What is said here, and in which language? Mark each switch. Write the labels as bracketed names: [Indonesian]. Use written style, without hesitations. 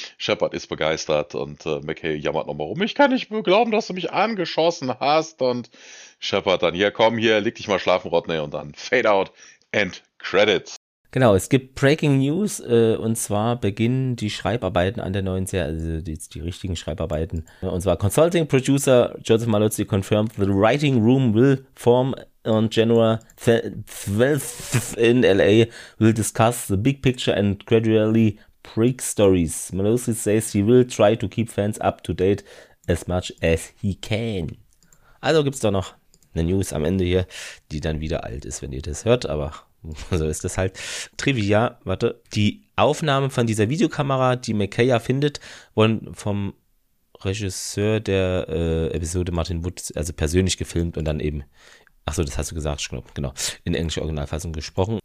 [German] Shepard ist begeistert und McKay jammert nochmal rum, ich kann nicht glauben, dass du mich angeschossen hast. Und Shepard dann, ja, komm hier, leg dich mal schlafen, Rodney, und dann Fade out, End Credits. Genau, es gibt Breaking News, und zwar beginnen die Schreibarbeiten an der neuen Serie, also die richtigen Schreibarbeiten. Und zwar [English] Consulting Producer Joseph Malozzi confirmed the writing room will form on January 12th in LA, will discuss the big picture and gradually break stories. Malozzi says he will try to keep fans up to date as much as he can. [German] Also gibt's da noch eine News am Ende hier, die dann wieder alt ist, wenn ihr das hört, aber so ist das halt. Trivia, warte. Die Aufnahmen von dieser Videokamera, die McKay ja findet, wurden vom Regisseur der Episode Martin Wood, also persönlich gefilmt und dann eben, ach so, das hast du gesagt, genau, in englischer Originalfassung gesprochen.